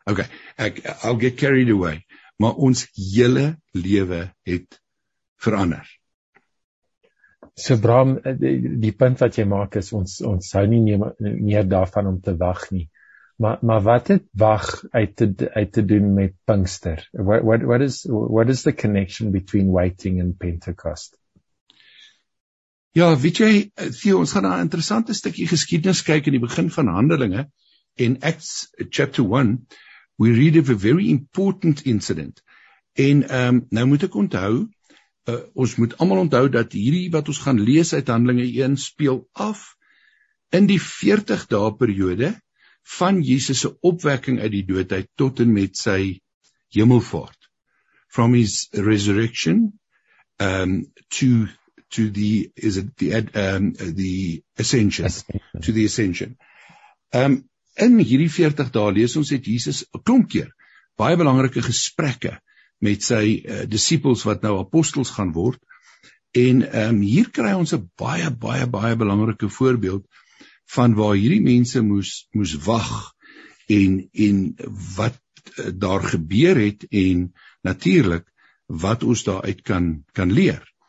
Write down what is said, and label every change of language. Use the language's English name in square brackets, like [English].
[English] Okay, I'll get carried away. [Afrikaans] Maar ons hele lewe het verander. So Bram, die punt wat jy maak is ons hou nie meer daarvan om te wag nie. Maar wat het wag uit te doen met Pinkster? [English] What is the connection between waiting and Pentecost? [Afrikaans] Ja, weet jy, Theo, ons gaan na 'n interessante stukkie geskiedenis kyk in die begin van Handelinge, en [English] Acts chapter 1, we read of a very important incident. [Afrikaans] En nou moet ek onthou, ons moet almal onthou dat hierdie wat ons gaan lees uit Handelinge 1 speel af in die 40 dae periode van Jesus se opwekking uit die doodheid tot en met sy hemelvaart. [English] From his resurrection to the ascension. [Afrikaans] In hierdie 40 dae lees ons het Jesus 'n klomp keer baie belangrike gesprekke met sy disippels wat nou apostels gaan word, en hier kry ons 'n baie belangrike voorbeeld van waar hierdie mense moes wag en wat daar gebeur het en natuurlik wat ons daar uit kan leer.